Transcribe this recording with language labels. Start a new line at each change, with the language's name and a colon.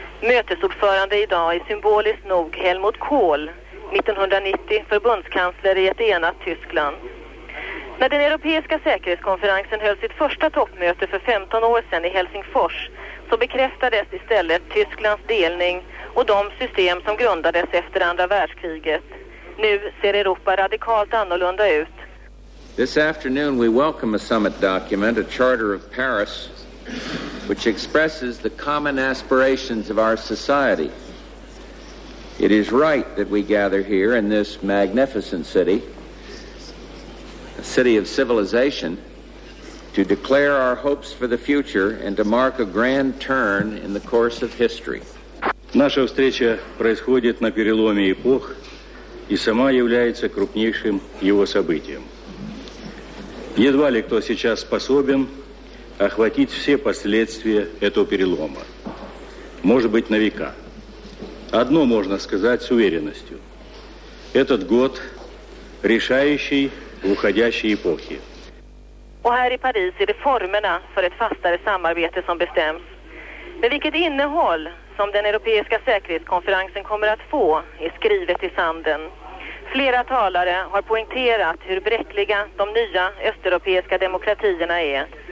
Swedish: Mötesordförande idag är symboliskt nog Helmut Kohl, 1990 förbundskansler i ett enat Tyskland. När den europeiska säkerhetskonferensen höll sitt första toppmöte för 15 år sedan i Helsingfors, så bekräftades istället Tysklands delning och de system som grundades efter andra världskriget. Nu ser Europa radikalt annorlunda ut.
English: This afternoon we welcome a summit document, a Charter of Paris, which expresses the common aspirations of our society. It is right that we gather here in this magnificent city, a city of civilization, to declare our hopes for the future and to mark a grand turn in the course of history.
Russian: Наша встреча происходит на переломе эпох, и сама является крупнейшим его событием. Едва ли кто сейчас способен охватить все последствия этого перелома. Может быть, на века. Одно можно сказать с уверенностью. Этот год решающий в уходящей эпохе.
Swedish: Och här i Paris är det formerna för ett fastare samarbete som bestäms. Men vilket innehåll som den europeiska säkerhetskonferensen kommer att få är skrivet i sanden. Flera talare har poängterat hur bräckliga de nya östeuropeiska demokratierna är.